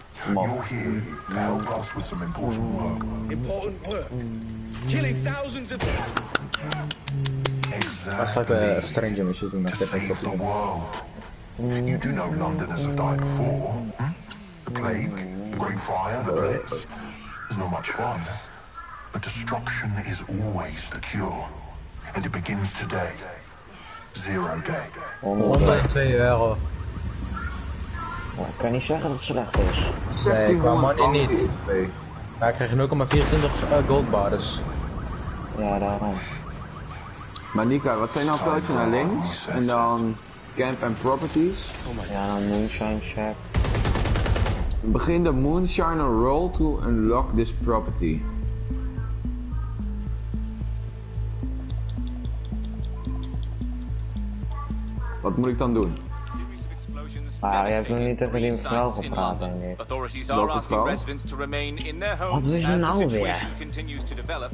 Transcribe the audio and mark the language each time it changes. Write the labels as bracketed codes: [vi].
[en] You're here to help us with some important work. Important work. Killing thousands of people. Exactly. [nl] Dat is gelijk een strange machine toen ik dit echt op [en] you do know Londoners have died before. The plague, the great fire, the blitz. It's not much fun. But destruction is always the cure. And it begins today. 0 day. [nl] 102 euro. Ik kan niet zeggen dat het slecht is. Nee, ik kwam money niet. Maar ik kreeg 0,24 gold bars. Ja, daarom. Maar Nika, wat zijn nou kruisjes naar links? En dan camp en properties. Ja, dan moonshine check. [en] Begin de moonshiner roll to unlock this property. [nl] Wat moet ik dan doen? Ah, je hebt nog niet tegen die mevrouw gepraat, denk ik. [en] Authorities are asking residents to remain in their homes as the situation continues to develop.